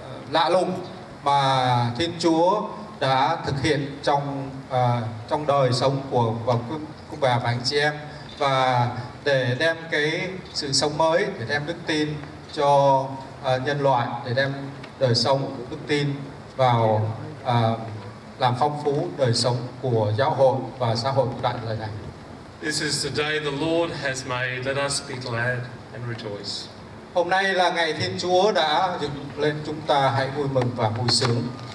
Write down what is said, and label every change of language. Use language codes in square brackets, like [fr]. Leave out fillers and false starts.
[vi] lạ lùng mà Thiên Chúa đã thực hiện trong trong đời sống của quý bà và anh chị em, và để đem cái sự sống mới, để đem đức tin cho nhân loại, để đem đời sống đức tin vào làm phong phú đời sống của giáo hội và xã hội tại nơi này. [en] This is the day the Lord has made. Let us be glad and rejoice. [vi] Hôm nay là ngày Thiên Chúa đã dựng lên, chúng ta hãy vui mừng và vui sướng.